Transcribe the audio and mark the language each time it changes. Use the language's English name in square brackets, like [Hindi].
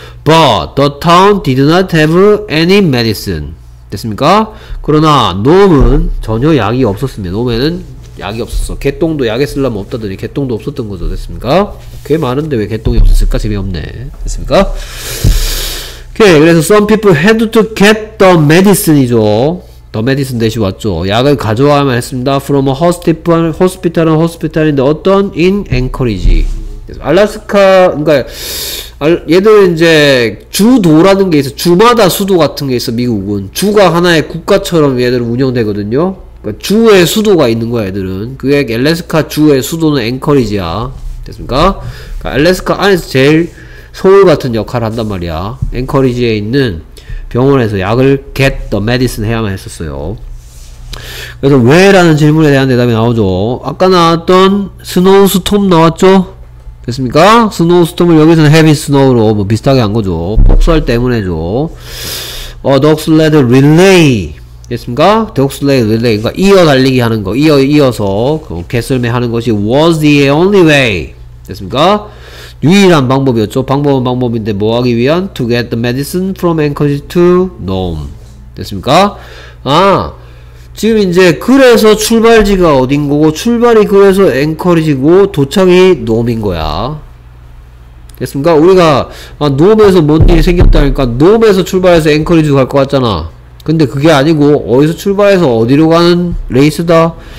[English] But the town did not have any medicine. [Korean] 됐습니까? 그러나 놈은 전혀 약이 없었습니다. 놈에는 약이 없었어. 개똥도 약에 쓰려면 없다더니 개똥도 없었던 거죠. 됐습니까? 꽤 많은데 왜 개똥이 없었을까? 재미없네. 됐습니까? 오케이. 그래서 [English] some people had to get the medicine이죠. The medicine [Korean] 대신 왔죠. 약을 가져와야만 했습니다. [English] From a hospital인데 [Korean] 어떤 [English] in Anchorage. [Korean] 알래스카, 그러니까 얘들 이제 주도라는 게 있어. 주마다 수도 같은 게 있어. 미국은 주가 하나의 국가처럼 얘들은 운영되거든요. 그러니까 주의 수도가 있는 거야. 얘들은 그게 알래스카 주의 수도는 앵커리지야. 됐습니까? 그러니까 알래스카 안에서 제일 서울 같은 역할을 한단 말이야. 앵커리지에 있는 병원에서 약을 [English] get the medicine [Korean] 해야만 했었어요. 그래서 왜라는 질문에 대한 대답이 나오죠. 아까 나왔던 스노우 스톰 나왔죠. 됐습니까? 스노우 스톰을 여기서는 헤비 스노우로 뭐 비슷하게 한 거죠. 폭설 때문에죠. 덕슬레드 릴레이. 됐습니까? 덕슬레드 릴레이. 그러니까 이어 달리기 하는 거. 이어서 개썰매 하는 것이 [English] was the only way. [Korean] 됐습니까? 유일한 방법이었죠. 방법은 방법인데 뭐 하기 위한? [English] To get the medicine from Anchorage to Nome. [Korean] 됐습니까? 아. 지금 이제 그래서 출발지가 어딘거고 출발이 그래서 앵커리지고 도착이 놈인거야. 됐습니까? 우리가 아, 놈에서 뭔 일이 생겼다니까 놈에서 출발해서 앵커리지 갈 것 같잖아. 근데 그게 아니고 어디서 출발해서 어디로 가는 레이스다?